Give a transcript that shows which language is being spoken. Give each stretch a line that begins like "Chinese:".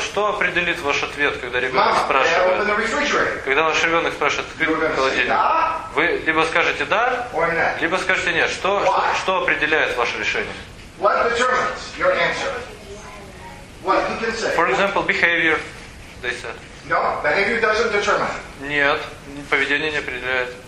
Russian: Что определит ваш ответ, когда ребенок спрашивает? Когда ваш ребенок спрашивает, открыт холодильник? Да, вы либо скажете да, либо скажете нет. Что определяет ваше решение?
English: What determines your answer? What you can say? For example, behavior, they said. No, behavior doesn't determine.
Russian: Нет, поведение не определяет.